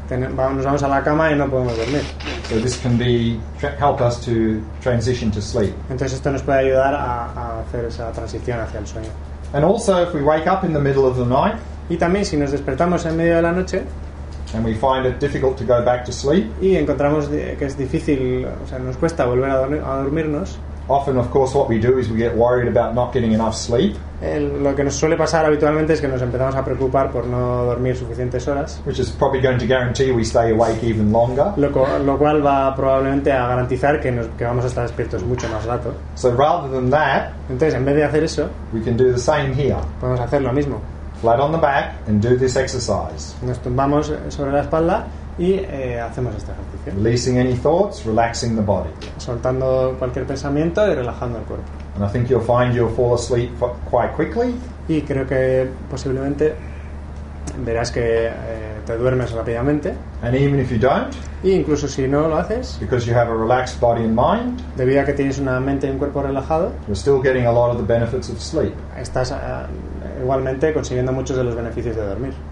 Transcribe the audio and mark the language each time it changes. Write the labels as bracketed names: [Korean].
[Spanish] Nos vamos a la cama y no podemos dormir. [English] So this can be help us to transition to sleep. [Spanish] Entonces esto nos puede ayudar a hacer esa transición hacia el sueño. [English] And also if we wake up in the middle of the night. [Spanish] Y también si nos despertamos en medio de la noche. [English] And we find it difficult to go back to sleep. [Spanish] Y encontramos que es difícil, o sea, nos cuesta volver a dormirnos. [English] Often, of course, what we do is we get worried about not getting enough sleep. [Spanish] Lo que nos suele pasar habitualmente es que nos empezamos a preocupar por no dormir suficientes horas. [English] Which is probably going to guarantee we stay awake even longer. [Spanish] Lo cual va probablemente a garantizar que vamos a estar despiertos mucho más rato. [English] So rather than that, [Spanish] entonces en vez de hacer eso, [English] we can do the same here. [Spanish] Podemos hacer lo mismo. [English] Flat on the back and do this exercise. [Spanish] Nos tumbamos sobre la espalda y hacemos este ejercicio. [English] Releasing any thoughts, relaxing the body. [Spanish] Soltando cualquier pensamiento y relajando el cuerpo. [English] And I think you'll find you'll fall asleep quite quickly. [Spanish] Y creo que posiblemente verás que te duermes rápidamente. [English] And even if you don't, [Spanish] y incluso si no lo haces, [English] because you have a relaxed body and mind, [Spanish] debido a que tienes una mente y un cuerpo relajado, [English] you're still getting a lot of the benefits of sleep. [Spanish] Estás igualmente consiguiendo muchos de los beneficios de dormir.